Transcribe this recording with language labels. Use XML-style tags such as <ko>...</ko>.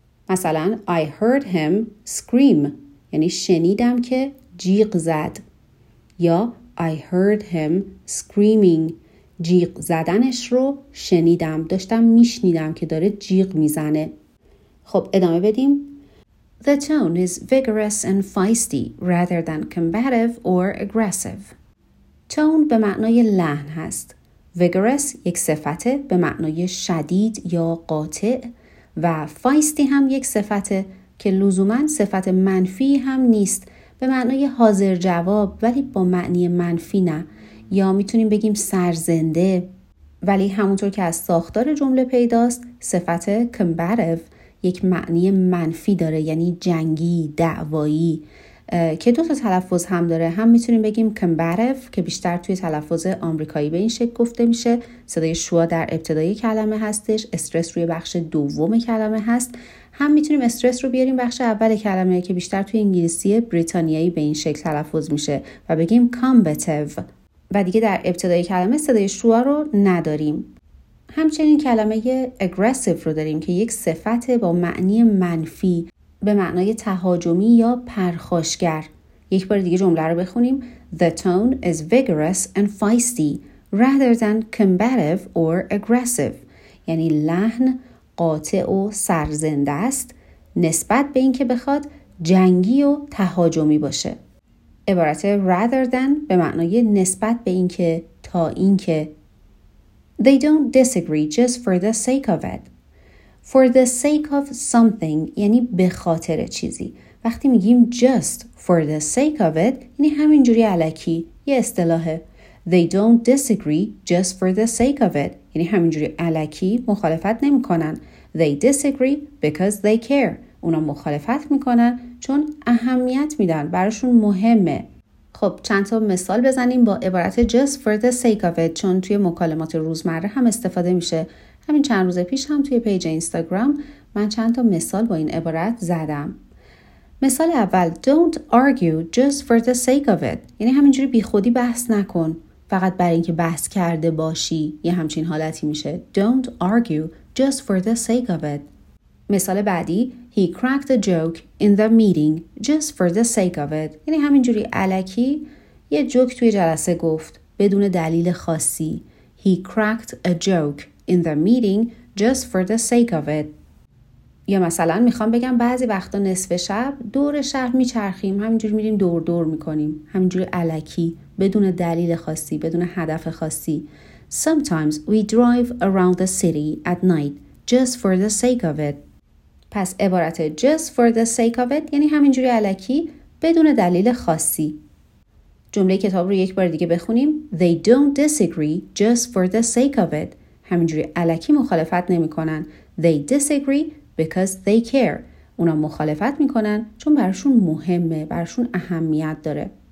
<fa>مثلا</fa> <en>I heard him scream</en> <fa>یعنی شنیدم که جیغ زد. یا</fa> <en>I heard him screaming</en> <fa>جیغ زدنش رو شنیدم، داشتم میشنیدم که داره جیغ میزنه. خب ادامه بدیم.</fa> <en>The tone is vigorous and feisty rather than combative or aggressive.</en> <fa>Tone به معنای لحن هست. Vigorous یک صفته به معنای شدید یا قاطع و feisty هم یک صفته که لزوماً صفت منفی هم نیست، به معنای حاضر جواب ولی با معنی منفی نه، یا میتونیم بگیم سرزنده. ولی همونطور که از ساختار جمله پیداست صفت combative یک معنی منفی داره، یعنی جنگی، دعوایی، که دو تا تلفظ هم داره. هم میتونیم بگیم combative که بیشتر توی تلفظ آمریکایی به این شکل گفته میشه، صدای شوا در ابتدای کلمه هستش، استرس روی بخش دوم کلمه هست. هم میتونیم استرس رو بیاریم بخش اول کلمه که بیشتر توی انگلیسی بریتانیایی به این شکل تلفظ میشه و بگیم combative و دیگه در ابتدای کلمه صدای شوا رو نداریم. همچنین کلمه aggressive رو داریم که یک صفت با معنی منفی به معنای تهاجمی یا پرخاشگر. یک بار دیگه جمله رو بخونیم.</fa> <en>The tone is vigorous and feisty rather than combative or aggressive.</en> <fa>یعنی لحن قاطع و سرزنده است نسبت به اینکه بخواد جنگی و تهاجمی باشه. عبارت rather than به معنای نسبت به اینکه تا اینکه.</fa> <en>They don't disagree just for the sake of it. For the sake of something</en> <fa>یعنی به خاطر چیزی. وقتی میگیم</fa> <en>just for the sake of it</en> <fa>یعنی همین جوری علکی، یه اصطلاحه.</fa> <en>They don't disagree just for the sake of it</en> <fa>یعنی همین جوری علکی مخالفت نمی کنن.</fa> <en>They disagree because they care.</en> <fa>اونا مخالفت میکنن چون اهمیت میدن، براشون مهمه. خب چند تا مثال بزنیم با عبارت</fa> <en>just for the sake of it،</en> <fa>چون توی مکالمات روزمره هم استفاده میشه. همین چند روز پیش هم توی پیج اینستاگرام من چند تا مثال با این عبارت زدم. مثال اول،</fa> <en>don't argue just for the sake of it،</en> <fa>یعنی همینجوری بی خودی بحث نکن فقط برای اینکه بحث کرده باشی، یه همچین حالتی میشه.</fa> <en>don't argue just for the sake of it.</en> <fa>مثال بعدی،</fa> <en>he cracked a joke in the meeting just for the sake of it،</en> <fa>یعنی همینجوری علکی یه جوک توی جلسه گفت بدون دلیل خاصی.</fa> <en>he cracked a joke in the meeting just for the sake of it.</en> <fa>یا مثلا میخوام بگم بعضی وقتا نصف شب دور شهر میچرخیم، همینجوری میریم دور دور میکنیم، همینجوری علکی بدون دلیل خاصی، بدون هدف خاصی.</fa> <en>sometimes we drive around the city at night just for the sake of it.</en> <fa>پس عبارت</fa> <en>just for the sake of it</en> <fa>یعنی همینجوری علکی بدون دلیل خاصی. جمله کتاب رو یک بار دیگه بخونیم.</fa> <en>they don't disagree just for the sake of it،</en> <fa>همینجوری علکی مخالفت نمی کنن.</fa> <en>they disagree because they care،</en> <fa>اونا مخالفت می کنن چون برشون مهمه، برشون اهمیت داره.</fa>